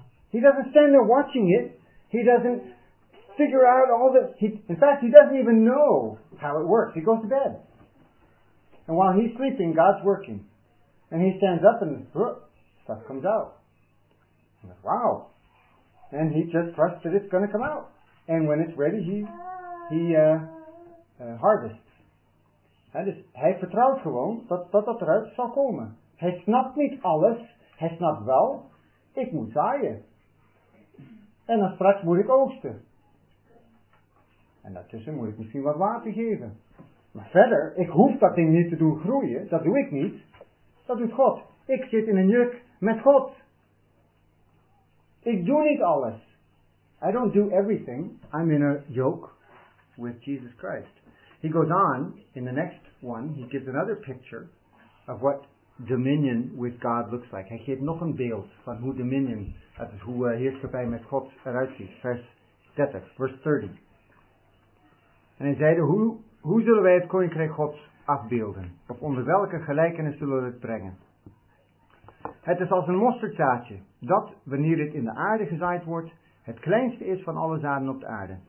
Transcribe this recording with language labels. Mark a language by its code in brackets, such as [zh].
[en] He doesn't stand there watching it. He doesn't figure out in fact, he doesn't even know how it works. He goes to bed. And while he's sleeping, God's working. And he stands up and stuff comes out. Wow. And he just trusts that it's going to come out. And when it's ready, he harvests. [nl] Ja, dus hij vertrouwt gewoon dat eruit zal komen. Hij snapt niet alles. Hij snapt wel, ik moet zaaien. En dan straks moet ik oogsten. En daartussen moet ik misschien wat water geven. Maar verder, ik hoef dat ding niet te doen groeien. Dat doe ik niet. Dat doet God. Ik zit in een juk met God. Ik doe niet alles. [en] I don't do everything. I'm in a yoke with Jesus Christ. He goes on, in the next one, he gives another picture of what dominion with God looks like. [nl] Hij geeft nog een beeld van hoe dominion, dat is hoe heerschappij met God eruit ziet. Vers 30. En hij zeide, hoe zullen wij het koninkrijk Gods afbeelden? Of onder welke gelijkenis zullen we het brengen? Het is als een mosterdzaadje, dat wanneer het in de aarde gezaaid wordt, het kleinste is van alle zaden op de aarde.